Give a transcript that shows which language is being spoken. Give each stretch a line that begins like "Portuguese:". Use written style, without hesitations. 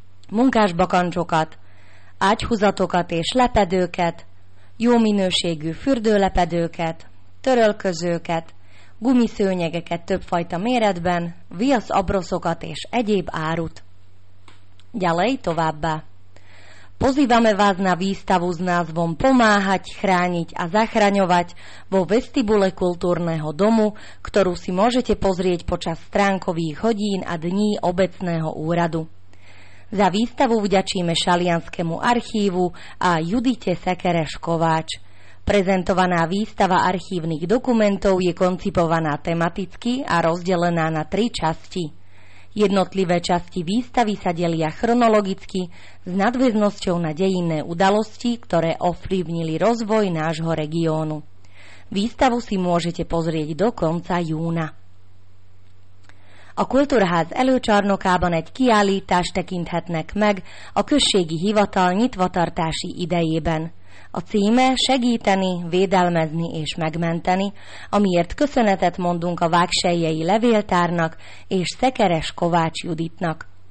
Hungarian: munkásbakancsokat, ágyhúzatokat és lepedőket, jó minőségű fürdőlepedőket, törölközőket, gumiszőnyegeket többfajta méretben, viasz abroszokat és egyéb árut.
Slovak: Ďalej
Hungarian: továbbá.
Slovak: Pozývame vás na výstavu s názvom Pomáhať, chrániť a zachraňovať vo vestibule kultúrneho domu, ktorú si môžete pozrieť počas stránkových hodín a dní obecného úradu. Za výstavu vďačíme Šalianskému archívu a Judite Sekereš-Kováč. Prezentovaná výstava archívnych dokumentov je koncipovaná tematicky a rozdelená na tri časti. Jednotlivé časti výstavy sa delia chronologicky s nadväznosťou na dejinné udalosti, ktoré ovplyvnili rozvoj nášho regiónu. Výstavu si môžete pozrieť do konca júna.
Hungarian: A Kultúrház előcsarnokában egy kiállítást tekinthetnek meg a községi hivatal nyitvatartási idejében. A címe Segíteni, védelmezni és megmenteni, amiért köszönetet mondunk a Vágsellyei Levéltárnak és Szekeres Kovács Juditnak.